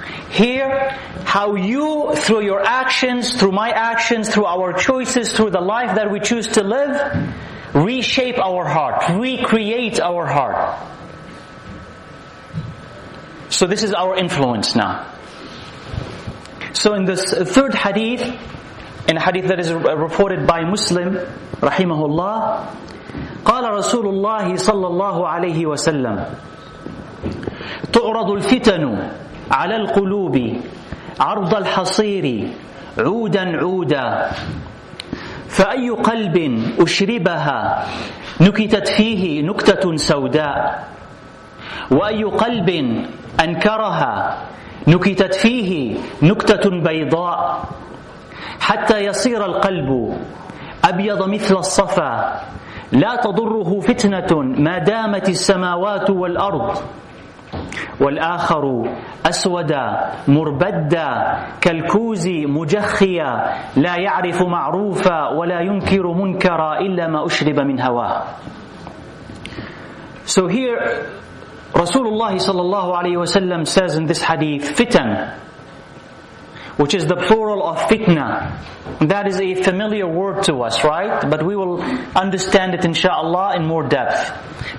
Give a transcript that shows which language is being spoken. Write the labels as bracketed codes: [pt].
[en] Here, how you, through your actions, through my actions, through our choices, through the life that we choose to live, reshape our heart, recreate our heart. So this is our influence now. So in this third hadith, in a hadith that is reported by Muslim, rahimahullah, [ar] قَالَ رَسُولُ اللَّهِ صَلَّى اللَّهُ عَلَيْهِ وَسَلَّمُ تُعْرَضُ الْفِتَنُ على القلوب عرض الحصير عودا عودا فأي قلب أشربها نكتت فيه نكتة سوداء وأي قلب أنكرها نكتت فيه نكتة بيضاء حتى يصير القلب أبيض مثل الصفا لا تضره فتنة ما دامت السماوات والأرض والآخر أسود مربد كالكوز مجخيا لا يعرف معروفا ولا ينكر منكرا إلا ما أشرب من هواه. [en] So here Rasulullah sallallahu alayhi wa sallam says in this hadith, fitan, which is the plural of fitna. That is a familiar word to us, right? But we will understand it inshallah in more depth.